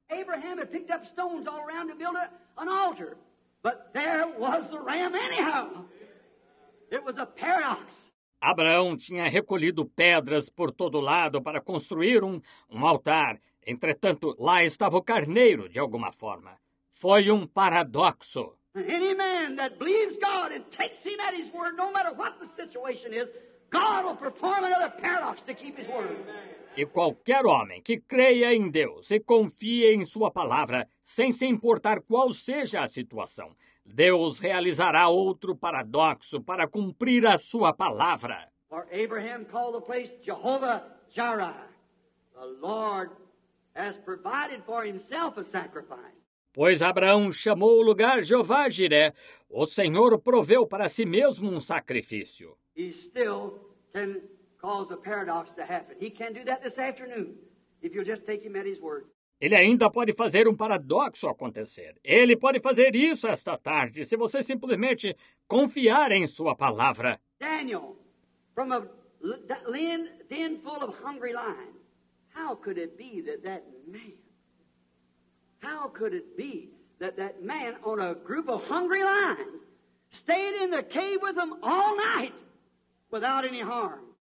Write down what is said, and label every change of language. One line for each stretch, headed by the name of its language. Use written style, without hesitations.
English: Abraham had picked up stones all around to build an altar. But there was the ram anyhow. It was a paradox.
Portuguese: Abraão tinha recolhido pedras por todo lado para construir um altar. Entretanto, lá estava o carneiro, de alguma forma. Foi um paradoxo.
English: Any man that believes God and takes him at his word, no matter what the situation is, God will perform another paradox to keep his word.
Portuguese: E qualquer homem que creia em Deus e confie em sua palavra, sem se importar qual seja a situação, Deus realizará outro paradoxo para cumprir a sua palavra.
English: For Abraham called the place Jehovah Jireh. The Lord has provided for himself a sacrifice.
Portuguese: Pois Abraão chamou o lugar Jeová Jiré. O Senhor proveu para si mesmo um sacrifício.
English: He still can cause a paradox to happen. He can do that this afternoon, if you'll just take him at his word.
Portuguese: Ele ainda pode fazer um paradoxo acontecer. Ele pode fazer isso esta tarde, se você simplesmente confiar em sua palavra.
English: Daniel, from a den full of hungry lions, how could it be that that man, how could it be that that man on a group of hungry lions stayed in the cave with them all night without any harm?